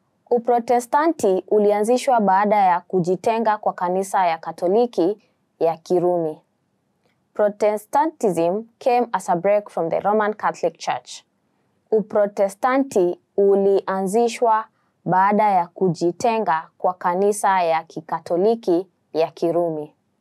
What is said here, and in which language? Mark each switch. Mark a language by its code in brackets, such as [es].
[sw] Uprotestanti ulianzishwa baada ya kujitenga kwa kanisa ya Katoliki ya Kirumi. [en] Protestantism came as a break from the Roman Catholic Church. [sw] Uprotestanti ulianzishwa baada ya kujitenga kwa kanisa ya Kikatoliki ya Kirumi.